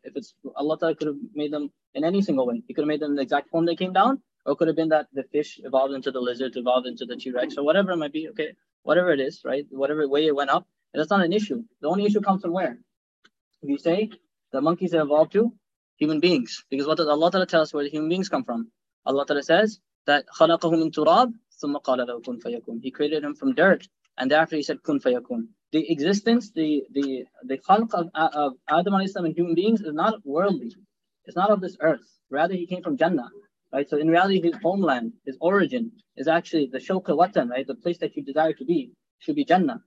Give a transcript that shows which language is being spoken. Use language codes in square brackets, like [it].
[en] If it's Allah Ta'ala could have made them in any single way. He could have made them in the exact form they came down, or it could have been that the fish evolved into the lizard, evolved into the T-Rex, or whatever it might be, okay? Whatever it is, right? Whatever way it went up, that's not an issue. The only issue comes from where? If you say the monkeys have evolved to human beings, because what does Allah Ta'ala tell us where the human beings come from? Allah Ta'ala says that [ar] خَلَقَهُ مِن تُرَاب ثُمَّ قَالَ لَهُ كُن فَيَكُن. [en] He created him from dirt, and thereafter he said [ar] كُن فَيَكُن. [en] The existence, the khalq of Adam alayhi salam and human beings is not worldly. It's not of this earth. Rather, he came from Jannah, right? So in reality, his homeland, his origin is actually the shawqa watan, right? The place that you desire to be should be Jannah.